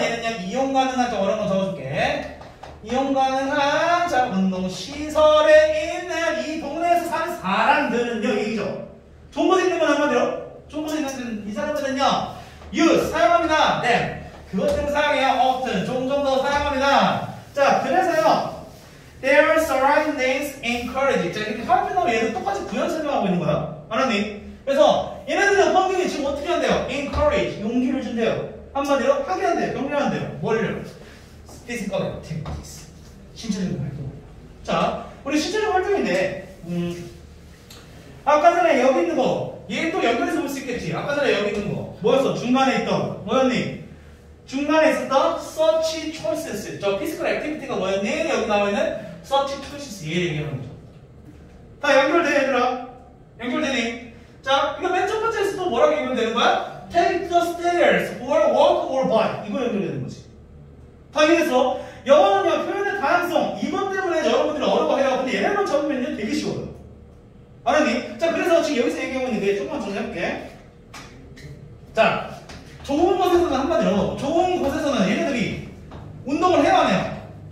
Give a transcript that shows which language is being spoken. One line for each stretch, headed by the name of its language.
Korean: 얘는 그냥 이용 가능한, 저런 거 적어줄게. 이용 가능한, 자, 운동 시설에 있는 이 동네에서 사는 사람들은요, 얘기죠. 좋은 곳에 있는 건 한마디로, 좋은 곳에 있는 이 사람들은요, use, 사용합니다. 네. 그것 때문에 사용해요. often, 종종 더 사용합니다.
English: 자, 그래서요, their surroundings encourage.
Korean: 자, 이렇게 하얗게 나오면 얘는 똑같이 부연 설명하고 있는 거야. 알았니? 그래서, 얘네들은 환경이 지금 어떻게 한대요? encourage, 용기를 준대요. 한마디로, 하게 한대요. 격려 한대요. 뭐를요? physical activities. 신체적인 활동. 자, 우리 신체적 활동인데, 아까 전에 여기 있는 거, 얘 또 연결해서 볼 수 있겠지. 아까 전에 여기 있는 거, 뭐였어? 중간에 있던, 뭐였니? 중간에 있었던 search choices. 저 physical activity가 뭐였니? 여기 나와있는 search choices. 얘 얘기하는 거죠. 다 연결돼, 얘들아. 연결되니? 자, 이거 맨 첫 번째에서도 뭐라고 연결되는 거야?
English: Take the stairs, or walk, or buy.
Korean: 이거 연결되는 거지. 다 이해했어? 영어는요, 표현의 다양성. 이것 때문에 여러분들이 어려워해요. 근데 얘네만 적으면 되게 쉬워요. 알았니? 자, 그래서 지금 여기서 얘기하고 있는 게 조금만 정리할게. 자, 좋은 곳에서는 한마디로 좋은 곳에서는 얘네들이 운동을 해야 하네요.